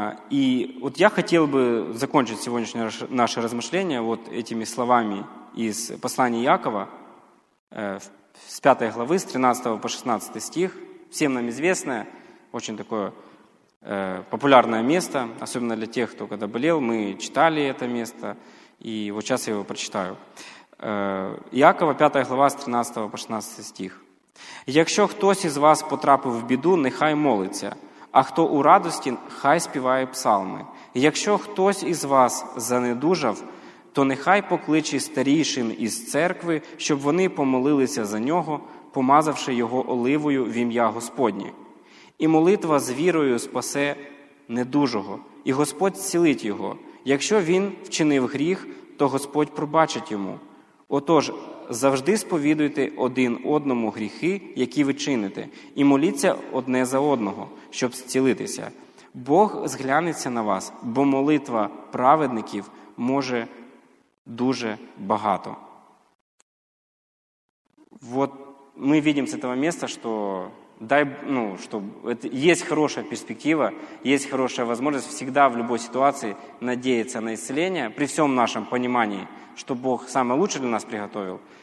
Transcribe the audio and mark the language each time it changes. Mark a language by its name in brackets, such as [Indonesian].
[Russian] И вот я хотел бы закончить сегодняшнее наше размышление вот этими словами из послания Иакова, с 5 главы, с 13 по 16 стих, всем нам известное, очень такое популярное место, особенно для тех, кто когда болел, мы читали это место, и вот сейчас я его прочитаю. Иакова, 5 глава, с 13 по 16 стих. [Ukrainian] «Якщо хтось із вас потрапив в біду, нехай молиться, а хто у радості, хай співає псалми. Якщо хтось із вас занедужав, то нехай покличе старійшин із церкви, щоб вони помолилися за нього, помазавши його оливою в ім'я Господнє. І молитва з вірою спасе недужого, і Господь зцілить його. Якщо він вчинив гріх, то Господь пробачить йому. Отож, завжди сповідуйте один одному гріхи, які ви чините, і моліться одне за одного, щоб зцілитися. Бог зглянеться на вас, бо молитва праведників може дуже багато». [Russian] Вот мы видим с этого места, что дай, ну, что это, есть хорошая перспектива, есть хорошая возможность всегда в любой ситуации надеяться на исцеление, при всем нашем понимании, что Бог самое лучшее для нас приготовил.